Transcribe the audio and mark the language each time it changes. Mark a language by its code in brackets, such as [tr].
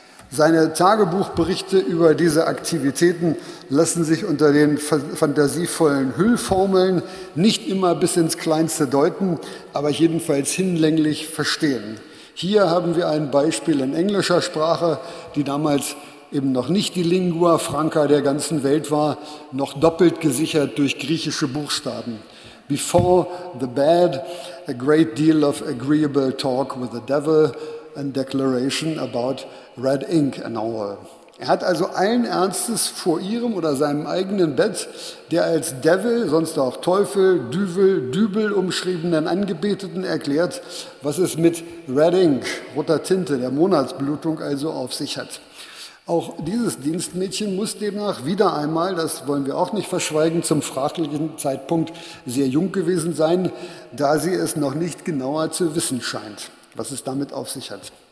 [de] Seine Tagebuchberichte über diese Aktivitäten lassen sich unter den fantasievollen Hüllformeln nicht immer bis ins Kleinste deuten, aber jedenfalls hinlänglich verstehen. Hier haben wir ein Beispiel in englischer Sprache, die damals eben noch nicht die Lingua Franca der ganzen Welt war, noch doppelt gesichert durch griechische Buchstaben. [en] Before the bed, a great deal of agreeable talk with the devil and declaration about red ink and all. [de] Er hat also allen Ernstes vor ihrem oder seinem eigenen Bett, der als Devil, sonst auch Teufel, Düvel, Dübel umschriebenen Angebeteten erklärt, was es mit red ink, roter Tinte, der Monatsblutung also auf sich hat. Auch dieses Dienstmädchen muss demnach wieder einmal, das wollen wir auch nicht verschweigen, zum fraglichen Zeitpunkt sehr jung gewesen sein, da sie es noch nicht genauer zu wissen scheint, was es damit auf sich hat.